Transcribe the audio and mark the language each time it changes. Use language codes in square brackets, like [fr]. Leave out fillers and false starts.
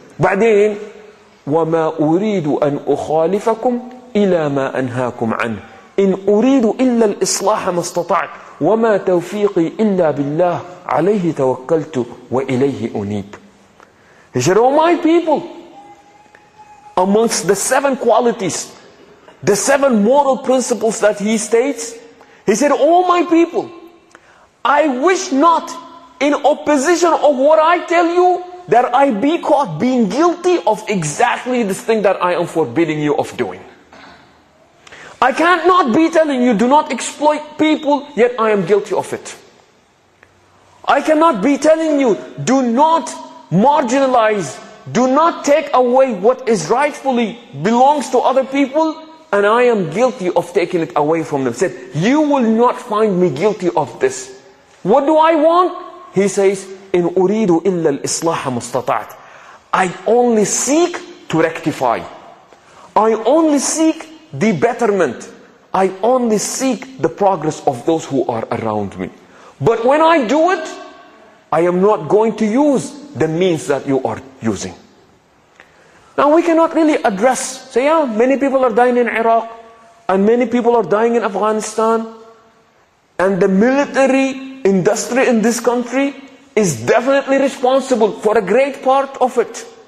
[ar] بعدين وما أريد أن أخالفكم إلى ما أنهاكم عنه إن أريد إلا الإصلاح ما استطعت وما توفيقي إلا بالله عليه توكلت وإليه أنيب. [en] He said, oh my people, amongst the seven qualities, the seven moral principles that he states, he said, oh my people, I wish not in opposition of what I tell you that I be caught being guilty of exactly this thing that I am forbidding you of doing. I can't not be telling you do not exploit people, yet I am guilty of it. I cannot be telling you do not marginalize, do not take away what is rightfully belongs to other people, and I am guilty of taking it away from them. Said, you will not find me guilty of this. What do I want? He says, [ar] إن أريد إلا الإصلاح ما استطعت. [en] I only seek to rectify. I only seek the betterment. I only seek the progress of those who are around me. But when I do it, I am not going to use the means that you are using. Now we cannot really address, say, yeah, many people are dying in Iraq, and many people are dying in Afghanistan, and the military industry in this country is definitely responsible for a great part of it.